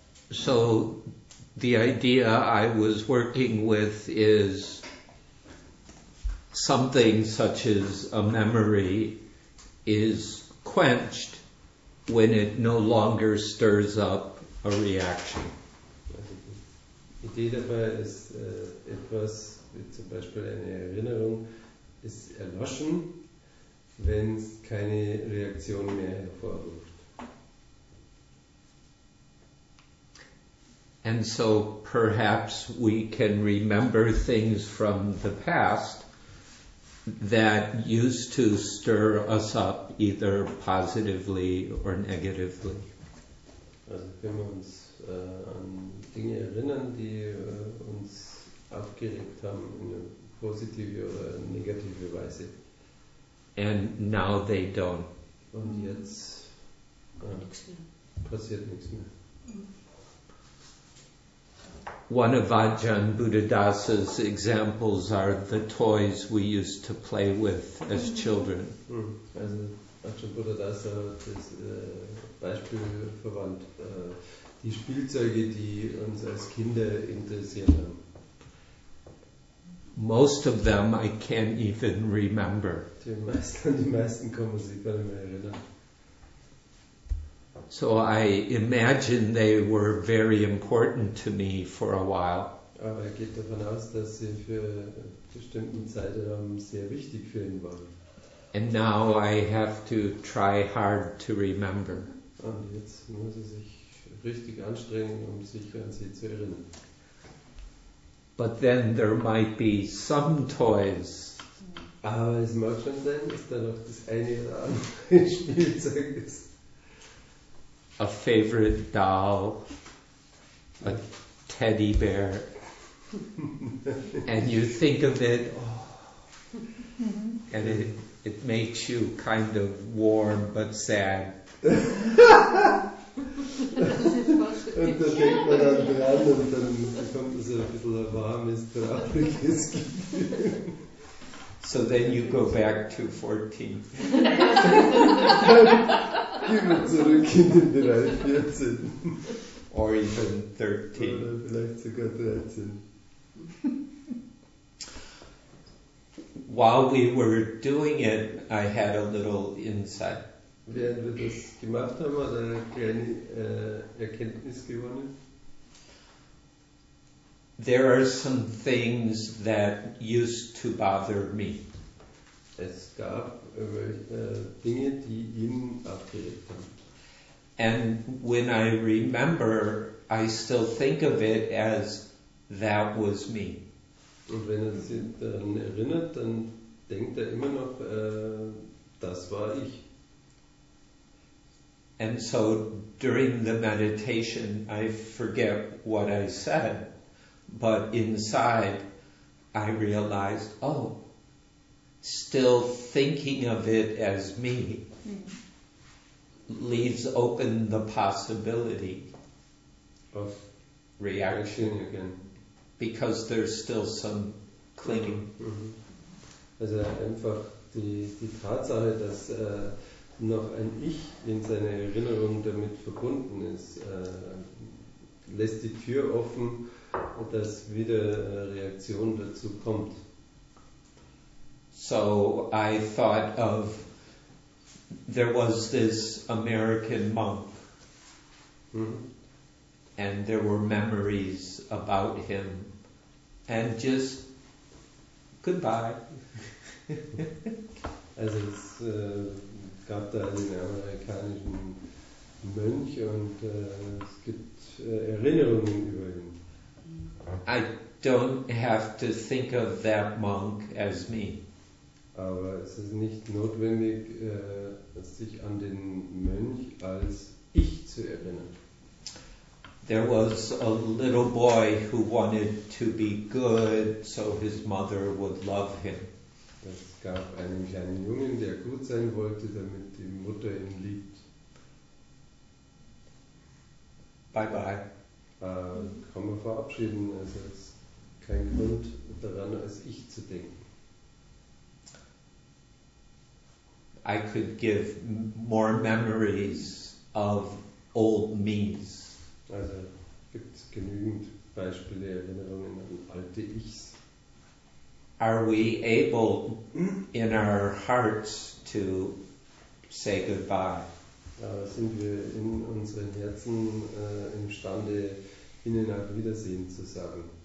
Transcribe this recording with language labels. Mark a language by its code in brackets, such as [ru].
[en] So, the idea I was working with is something such as a memory is quenched when it no longer stirs up a reaction. [de] Die Idee dabei ist etwas, wie zum Beispiel eine Erinnerung, ist erloschen, wenn es keine Reaktion mehr hervorruft. [en] And so perhaps we can remember things from the past that used to stir us up either positively or negatively. [de] Also können wir uns an Dinge erinnern, die uns aufgeregt haben in der positive oder negative Weise. [en] And now they don't. [de] Und jetzt passiert nichts mehr. [en] One of Ajahn Buddhadasa's examples are the toys we used to play with as children. [de] Also Ajahn Buddhadasa hat das Beispiel verwandt. Die Spielzeuge, die uns als Kinder interessiert haben. [en] Most of them I can't even remember. [de] Die meisten kommen sich gar nicht mehr erinnern. [en] So I imagine they were very important to me for a while. [de] Aber er geht davon aus, dass sie für bestimmten Zeitraum sehr wichtig für ihn waren. [en] And now I have to try hard to remember. [de] Und jetzt muss er sich richtig anstrengen, um sich an sie zu erinnern. [en] But then there might be some toys. [de] Aber es mag schon sein, dass da noch das eine oder andere Spielzeug ist. [en] A favorite doll, a teddy bear, and you think of it, and it makes you kind of warm but sad. [de] Und da denkt man dann dran und dann bekommt es ein bisschen ein warmes, trauriges Gefühl. [en] So then you go back to 14. [de] Gehen wir zurück in den Bereich 14. [en] Or even 13. [de] Oder vielleicht sogar 13. [en] While we were doing it, I had a little insight. [de] Während wir das gemacht haben, hat er eine kleine Erkenntnis gewonnen. [en] There are some things that used to bother me. [de] Es gab Dinge, die ihn aufgeregt haben. [en] And when I remember, I still think of it as that was me. [de] Und wenn er sich daran erinnert, dann denkt er immer noch, das war ich. [en] And so during the meditation, I forget what I said, but inside I realized, oh, still thinking of it as me leaves open the possibility of reaction again, because there's still some clinging. [de] Also einfach die Tatsache, dass noch ein Ich in seiner Erinnerung damit verbunden ist, lässt die Tür offen, dass wieder Reaktion dazu kommt. [en] So I thought of, there was this American monk, and there were memories about him, and just goodbye. [de] Also es gab da einen amerikanischen Mönch und es gibt Erinnerungen über ihn. [en] I don't have to think of that monk as me. [de] Aber es ist nicht notwendig, sich an den Mönch als ich zu erinnern. [en] There was a little boy who wanted to be good, so his mother would love him. [de] Es gab einen kleinen Jungen, der gut sein wollte, damit die Mutter ihn liebt. [en] Bye bye. [de] Kann man verabschieden, also es ist kein Grund daran, als ich zu denken. [en] I could give more memories of old me's. [de] Also gibt es genügend Beispiele, Erinnerungen an alte Ichs. [en] Are we able in our hearts to say goodbye? [de] Sind wir in unseren Herzen imstande, ihnen auf Wiedersehen zu sagen?